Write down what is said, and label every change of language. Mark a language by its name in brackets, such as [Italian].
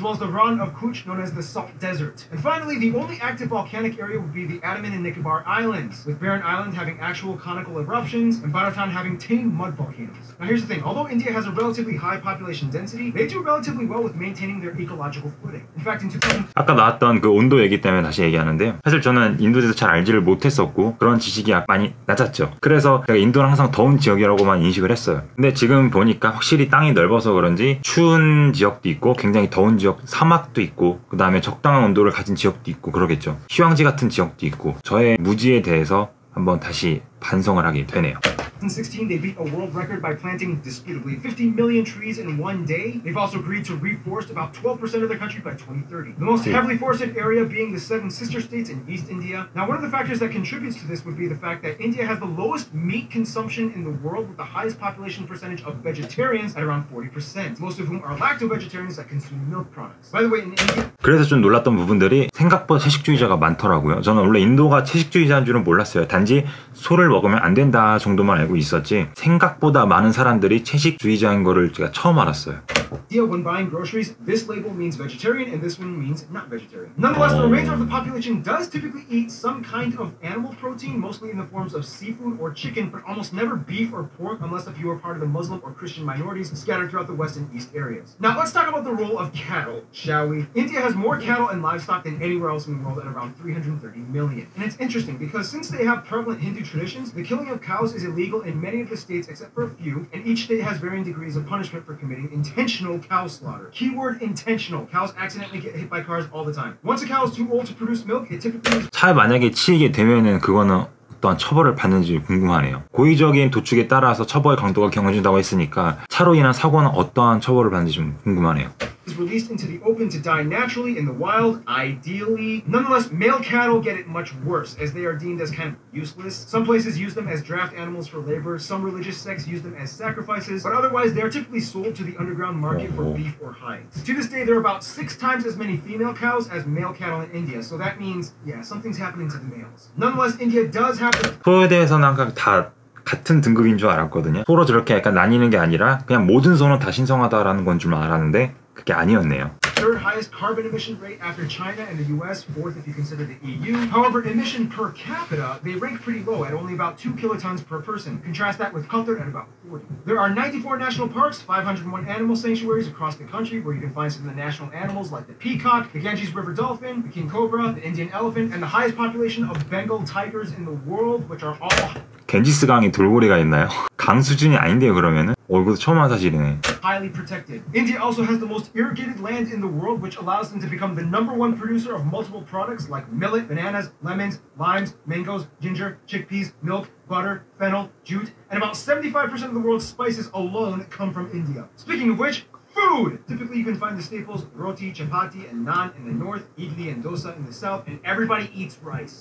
[English] as well as the Ran of Kuch, known as the Salt Desert. And finally, the only active volcanic area would be the Andaman and Nicobar Islands, with Barren Island having actual conical eruptions and Bharatan having tame mud volcanoes. Now here's the thing, although India has a relatively high population density, they do relatively well with maintaining their ecological footing. In fact, in 2000... [Korean] 아까 나왔던 그 온도 얘기 때문에 다시 얘기하는데요. 사실 저는 인도에 대해서 잘 알지를 못했었고 그런 지식이 많이 낮았죠. 그래서 제가 인도는 항상 더운 지역이라고만 인식을 했어요. 근데 지금 보니까 확실히 땅이 넓어서 그런지 추운 지역도 있고 굉장히 더운 지역, 사막도 있고 그 다음에 적당한 온도를 가진 지역도 있고 그러겠죠. 휴양지 같은 지역도 있고 저의 무지에 대해서 한번 다시 반성을 하게 되네요. [English] 2016, they beat a world record by planting, disputably, 50 million trees in one day. They've also agreed to reforest about 12% of their country by 2030. The most heavily forested area being the seven sister states in East India. Now, one of the factors that contributes to this would be the fact that India has the lowest meat consumption in the world with the highest population percentage of vegetarians at around 40%, most of whom are lacto-vegetarians that consume milk products. By the way, in India... [Korean] 그래서 좀 놀랐던 부분들이 생각보다 채식주의자가 많더라고요. 저는 원래 인도가 채식주의자인 줄은 몰랐어요. 단지 소를 먹으면 안 된다 정도만 알고 있었지 생각보다 많은 사람들이 채식주의자인 거를 제가 처음 알았어요. [English] India, when buying groceries, this label means vegetarian and this one means not vegetarian. Nonetheless, the remainder of the population does typically eat some kind of animal protein, mostly in the forms of seafood or chicken, but almost never beef or pork unless if you are part of the Muslim or Christian minorities scattered throughout the west and east areas. Now, let's talk about the role of cattle, shall we? India has more cattle and livestock than anywhere else in the world at around 330 million. And it's interesting because since they have prevalent Hindu traditions, the killing of cows is illegal in many of the states except for a few, and each state has varying degrees of punishment for committing intentional cow slaughter. Keyword intentional. Cows accidentally get hit by cars all the time. Once a cow is too old to produce milk, it typically is... [Korean] 차에 만약에 치이게 되면은 그거는 어떤 처벌을 받는지 궁금하네요. 고의적인 도축에 따라서 처벌 강도가 경어진다고 했으니까 차로 인한 사고는 어떠한 처벌을 받는지 좀 궁금하네요. [English] Is released into the open to die naturally in the wild, ideally. Nonetheless, male cattle get it much worse, as they are deemed as kind of useless. Some places use them as draft animals for labor, some religious sects use them as sacrifices, but otherwise they are typically sold to the underground market for beef or hides. To this day, there are about 6 times as many female cows as male cattle in India, so that means, yeah, something's happening to the males. Nonetheless, India does have to... [Korean] 같은 등급인 줄 알았거든요. 소로 저렇게 약간 나뉘는 게 아니라 그냥 모든 소는 다 신성하다라는 건 줄 알았는데 그게 아니었네요. [English] Third highest carbon emission rate after China and the US, fourth if you consider the EU. However, emission per capita, they rank pretty low at only about 2 kilotons per person. Contrast that with Qatar at about 40. There are 94 national parks, 501 animal sanctuaries across the country where you can find some of the national animals like the peacock, the Ganges River dolphin, the king cobra, the Indian elephant, and the highest population of Bengal tigers in the world, which are all... [Korean] 갠지스 강이 돌고래가 있나요? 강 수준이 아닌데요, 그러면은? 이것도 처음 한 사실이네. [English] Highly protected. India also has the most irrigated land in the world, which allows them to become the number one producer of multiple products like millet, bananas, lemons, limes, mangoes, ginger, chickpeas, milk, butter, fennel, jute, and about 75% of the world's spices alone come from India. Speaking of which, food! Typically you can find the staples roti, chapati, and naan in the north, idli and dosa in the south, and everybody eats rice.